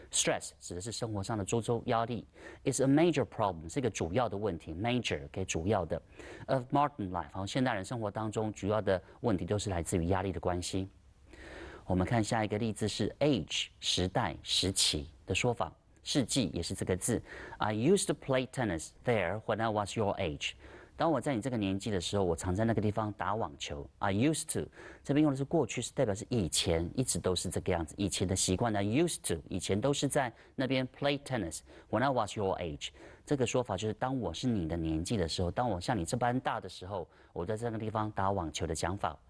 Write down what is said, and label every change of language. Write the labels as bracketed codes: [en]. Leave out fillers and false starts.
[zh] Stress 指的是生活上的周遭压力。 [en] It's a major problem [zh] 是一个主要的问题。 Major 给主要的。 [en] Of modern life [zh] 好，现代人生活当中主要的问题都是来自于压力的关系。我们看下一个例子是 age 时代时期的说法。世纪也是这个字。 [en] I used to play tennis there when I was your age. [zh] 当我在你这个年纪的时候，我常在那个地方打网球。 [en] I used to， [zh] 这边用的是过去式，代表是以前，一直都是这个样子，以前的习惯呢。 [en] Used to， [zh] 以前都是在那边 [en] play tennis when I was your age。 [zh] 这个说法就是当我是你的年纪的时候，当我像你这般大的时候，我在那个地方打网球的讲法。